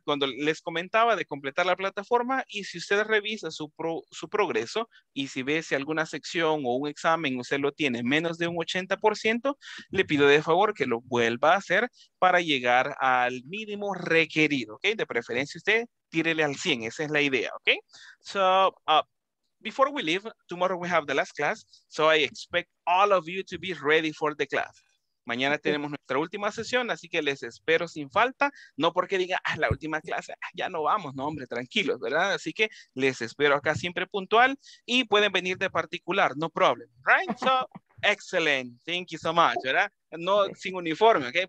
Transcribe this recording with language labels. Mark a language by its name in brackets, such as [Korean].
[Spanish] Cuando les comentaba de completar la plataforma, y si usted revisa su progreso y si ve si alguna sección o un examen usted lo tiene menos de un 80%, le pido de favor que lo vuelva a hacer para llegar al mínimo requerido, ¿ok? De preferencia usted tírele al 100, esa es la idea, ¿ok? [English] So, before we leave, tomorrow we have the last class, so I expect all of you to be ready for the class. [Spanish] Mañana tenemos nuestra última sesión, así que les espero sin falta. No porque diga, la última clase, ya no vamos, no hombre, tranquilos, ¿verdad? Así que les espero acá siempre puntual y pueden venir de particular, [English] no problem, right? So, excellent, thank you so much, [Spanish] ¿verdad? No, sin uniforme, ¿ok?